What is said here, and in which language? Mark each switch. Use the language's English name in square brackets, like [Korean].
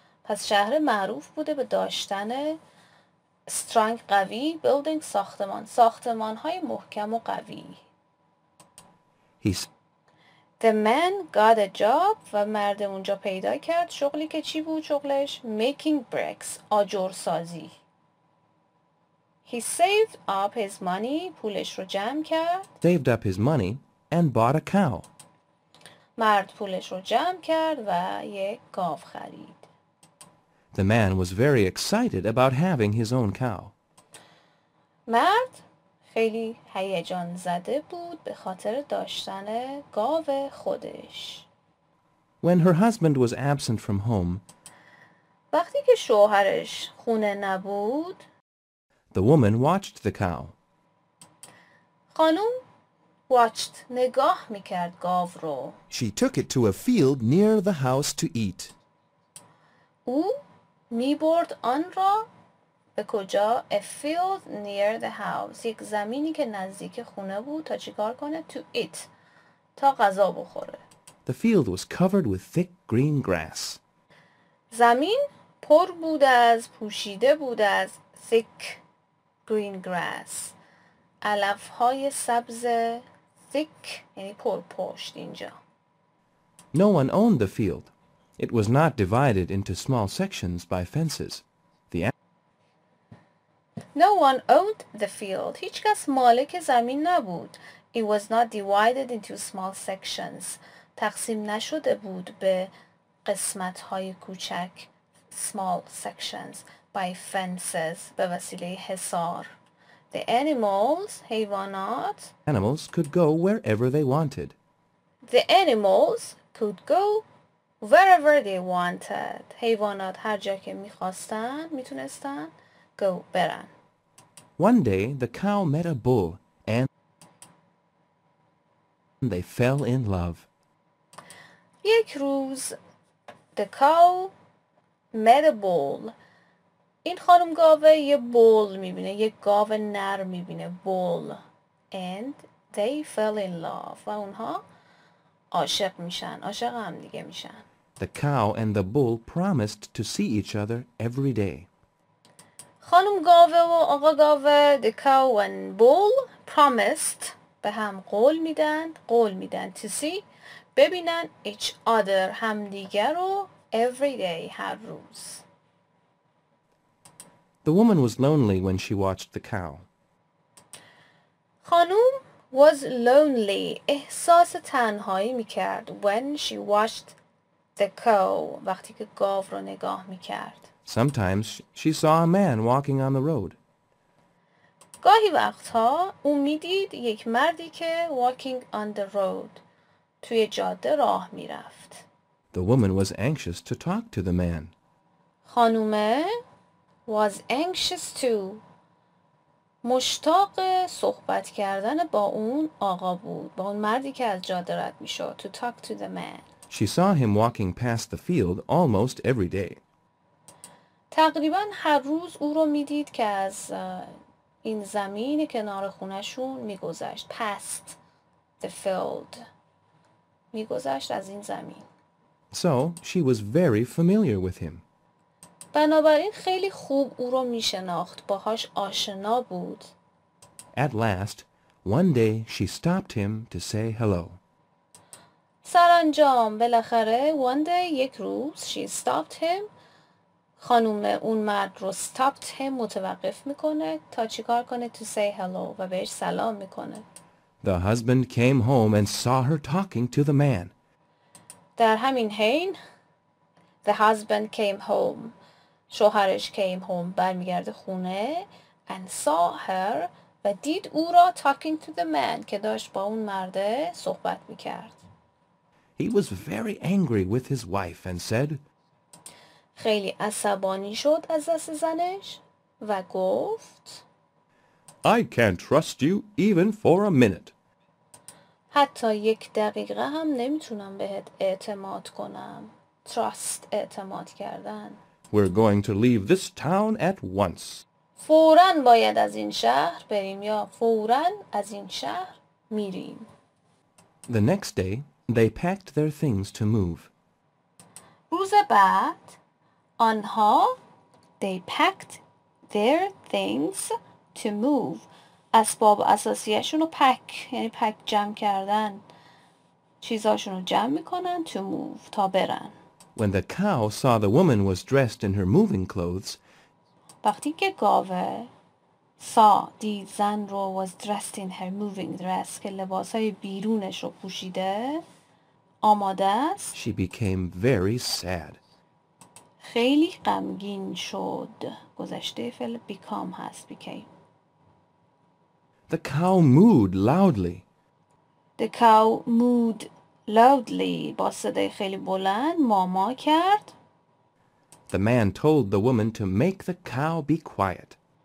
[Persian] پس شهر معروف بوده به داشتن strong، قوی، building، ساختمان، ساختمان‌های محکم و قوی. [English] The man got a job، [Persian] و مرد اونجا پیدا کرد شغلی که چی بود شغلش؟ [English] making bricks، [Persian] آجر سازی. [English] He saved up his money، [Persian] پولش رو جمع کرد. [English] Saved up his money and bought a cow. [Persian] مرد پولش رو جمع کرد و یک گاو خرید. [English] The man was very excited about having his own cow. [Persian] مرد خیلی هیجان زده بود به خاطر داشتن گاو خودش. [English] When her husband was absent from home, [Persian] وقتی که شوهرش خونه نبود, [English] the woman watched the cow. [Persian] خانوم watched، نگاه میکرد گاو رو. [English] She took it to a field near the house to eat. [Persian] او می برد آن را به کجا؟ [English] A field near the house، [Persian] یک زمینی که نزدیک خونه بود، تا چیکار کنه؟ [English] To eat، [Persian] تا غذا بخوره. [English] The field was covered with thick green grass. [Persian] زمین پر بود از، پوشیده بود از [English] thick green grass، [Persian] علفهای سبز. Thick یعنی پر پشت اینجا. [English] No one owned the field. It was not divided into small sections by fences. No one owned the field. [Persian] هیچ کس مالک زمین نبود. [English] It was not divided into small sections. [Persian] تقسیم نشده بود به قسمت‌های کوچک [English] small sections by fences [Persian] به وسیله حصار. [English] The animals, [Persian] حیوانات [English] animals could go wherever they wanted. The animals could go wherever they wanted. [Persian] حیوانات هر جا که می‌خواستن می‌تونستن go برن. [English] One day the cow met a bull and they fell in love. [Persian] یک روز [English] the cow met a bull. [Persian] این خانم گاوه یه بول میبینه، یه گاو نر میبینه، بول. [English] And they fell in love. [Persian] و اونها عاشق میشن، عاشق هم دیگه میشن. [English] The cow and the bull promised to see each other every day. [Persian] خانم گاوه و آقا گاوه، [English] the cow and bull promised [Persian] به هم قول میدن [English] to see [Persian] ببینن [English] each other [Persian] هم دیگر رو [English] every day [Persian] هر روز. [English] The woman was lonely when she watched the cow. [Persian] خانوم [English] was lonely. [Persian] احساس تنهایی میکرد [English] when she watched the cow. [Persian] وقتی که گاو رو نگاه میکرد. [English] Sometimes she saw a man walking on the road. [Persian] گاهی وقتها او میدید یک مردی که [English] walking on the road [Persian] توی جاده راه میرفت. [English] The woman was anxious to talk to the man. [Persian] خانومه [English] was anxious to [Persian] مشتاق صحبت کردن با اون آقا بود، با اون مردی که از جاده رد میشد. [English] To talk to the man. She saw him walking past the field almost every day. [Persian] تقریبا هر روز او رو میدید که از این زمین کنار خونشون میگذشت. [English] Past the field. [Persian] میگذشت از این زمین. [English] So she was very familiar with him. [Persian] بنابراین خیلی خوب او رو میشناخت، باهاش آشنا بود. [English] At last, one day she stopped him to say hello. [Persian] سرانجام بالاخره [English] one day [Persian] یک روز [English] she stopped him. [Persian] خانم اون مرد رو [English] stopped him [Persian] متوقف میکنه تا چیکار کنه؟ [English] To say hello [Persian] و بهش سلام میکنه. [English] The husband came home and saw her talking to the man. [Persian] در همین حین [English] the husband came home. [Persian] شوهرش [English] came home، [Persian] برمیگرده خونه، [English] and saw her [Persian] و دید او را [English] talking to the man [Persian] که داشت با اون مرده صحبت میکرد. [English] He was very angry with his wife and said [Persian] خیلی عصبانی شد از دست زنش و گفت [English] I can't trust you even for a minute. [Persian] حتی یک دقیقه هم نمیتونم بهت اعتماد کنم. Trust، اعتماد کردن. [English] We're going to leave this town at once. [Persian] فوراً باید از این شهر بریم یا فوراً از این شهر میریم. [English] The next day, they packed their things to move. [Persian] روز بعد آنها [English] they packed their things to move. [Persian] اسباب اساسیشون رو پک، یعنی پک جمع کردن، چیزاشون رو جمع میکنن، [English] to move، [Persian] تا برن. [English] When the cow saw the woman was dressed in her moving clothes, [Persian] وقتی که گاوه saw دید زن رو [English] was dressed in her moving dress [Persian] که لباسای بیرونش رو پوشیده آماده است، [English] she became very sad. [Persian] خیلی غمگین شد. گذشته فعل become هست، [English] became. The cow mooed loudly. The cow mooed loudly. [Persian] با صدای خیلی بلند ماما کرد. [English] The man told the woman to make the cow be quiet.